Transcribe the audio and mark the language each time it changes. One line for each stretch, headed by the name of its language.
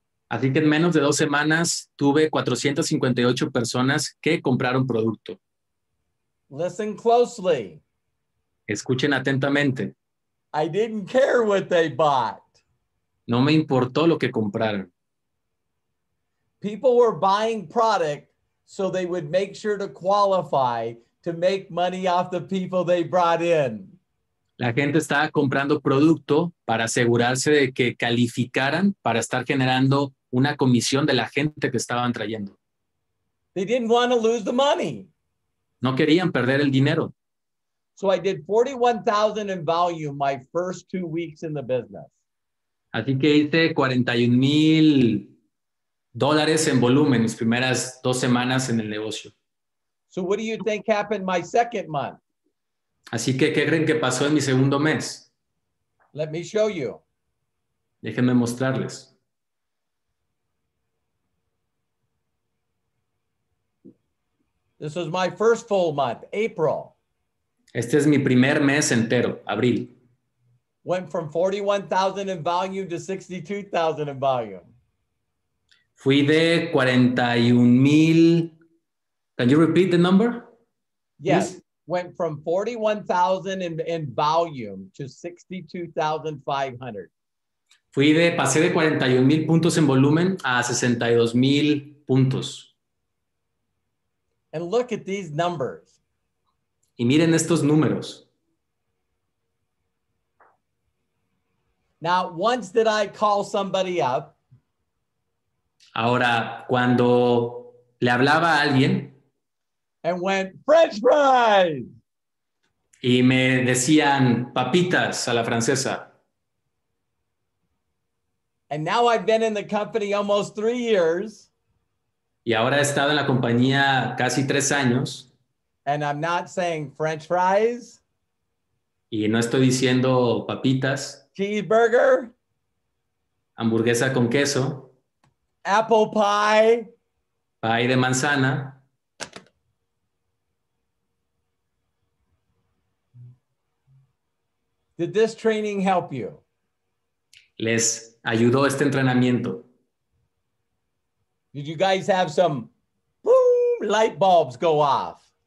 Spanish: Así que en menos de dos semanas, tuve 458 personas que compraron producto.
English: Listen closely.
Spanish: Escuchen atentamente.
English: I didn't care what they bought.
Spanish: No me importó lo que compraron.
English: People were buying product so they would make sure to qualify to make money off the people they brought in.
Spanish: La gente estaba comprando producto para asegurarse de que calificaran para estar generando una comisión de la gente que estaban trayendo.
English: They didn't want to lose the money.
Spanish: No querían perder el dinero.
English: So I did 41,000 in volume my first 2 weeks in the business.
Spanish: Así que hice 41,000 dólares en volumen mis primeras dos semanas en el negocio.
English: So what do you think happened my second month?
Spanish: Así que, ¿qué creen que pasó en mi segundo mes?
English: Let me show you.
Spanish: Déjenme mostrarles.
English: This was my first full month, April.
Spanish: Este es mi primer mes entero, abril.
English: Went from 41,000 in volume to 62,000 in volume.
Spanish: Fui de 41,000.
English: Can you repeat the number? Yes. Please? Went from 41,000 in volume to 62,500.
Spanish: Pasé de 41,000 puntos en volumen a 62,000 puntos.
English: And look at these numbers.
Spanish: Y miren estos números.
English: Now, once did I call somebody up?
Spanish: Ahora, cuando le hablaba a alguien.
English: And went, French fries!
Spanish: Y me decían, papitas a la francesa.
English: And now I've been in the company almost 3 years.
Spanish: Y ahora he estado en la compañía casi 3 años.
English: And I'm not saying French fries.
Spanish: Y no estoy diciendo papitas.
English: Cheeseburger.
Spanish: Hamburguesa con queso.
English: Apple pie.
Spanish: Pie de manzana.
English: Did this training help you?
Spanish: ¿Les ayudó este entrenamiento?
English: Did you guys have some boom light bulbs go off?